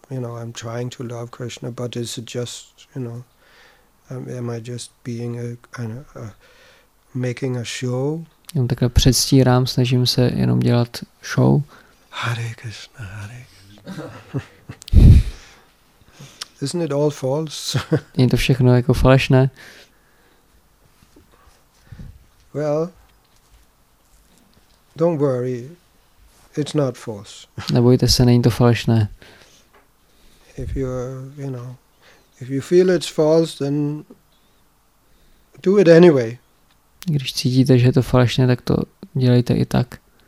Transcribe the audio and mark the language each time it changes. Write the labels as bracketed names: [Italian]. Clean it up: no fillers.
[English] I'm trying to love Krishna, but is it just, am I just being a making a show? [Czech] Jenom takhle předstírám, snažím se jenom dělat show. [Sanskrit] Hare Krishna, Hare Krishna. [English] Isn't it all false? [Czech] Je to všechno falešné? [English] Well, don't worry, it's not false. [Czech] Nebojte se, není to falešné. [English] If you feel it's false, then do it anyway. [Czech] Když cítíte, že je to falešné, tak to dělejte i tak.